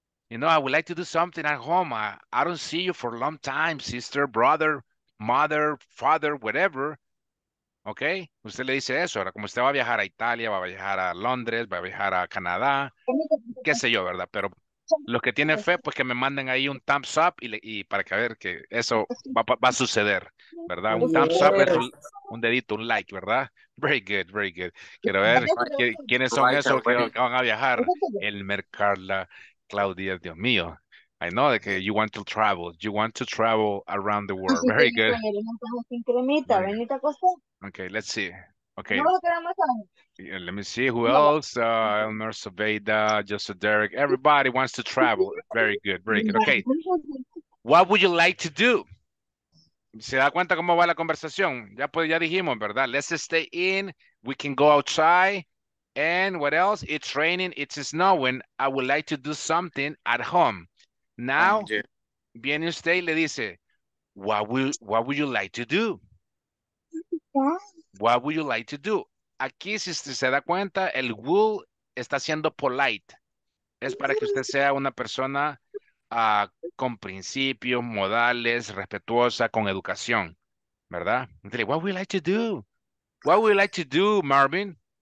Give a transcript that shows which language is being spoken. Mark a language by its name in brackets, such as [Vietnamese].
[English] You know, I would like to do something at home. I don't see you for a long time, sister, brother, mother, father, whatever. Okay? [Spanish] Usted le dice eso. Ahora, como usted va a viajar a Italia, va a viajar a Londres, va a viajar a Canadá, qué sé yo, ¿verdad? Pero los que tienen fe, pues que me manden ahí un thumbs up y para que ver que eso va a suceder, ¿verdad? Un thumbs up es un dedito, un like, ¿verdad? [English] Very good. [Spanish] Quiero ver quiénes son esos que van a viajar. [English] Elmer, Carla, Claudia, [Spanish] Dios mío. [English] I know that you want to travel. You want to travel around the world. Very good. Okay, let's see. Okay. Let me see who else. Elmer, Saveda, Joseph Derek. Everybody wants to travel. Very good. Okay. What would you like to do? [Spanish] ¿Se da cuenta cómo va la conversación? Ya dijimos, ¿verdad? [English] Let's stay in. We can go outside. And what else? It's raining. It's snowing. I would like to do something at home. Now, [Spanish] viene usted y le dice, [English] what would you like to do? What would you like to do? [Spanish] Aquí, si usted se da cuenta, el will está siendo polite. Es para que usted sea una persona con principios, modales, respetuosa, con educación, ¿verdad? [English] Entonces, what would you like to do? What would you like to do, Marvin?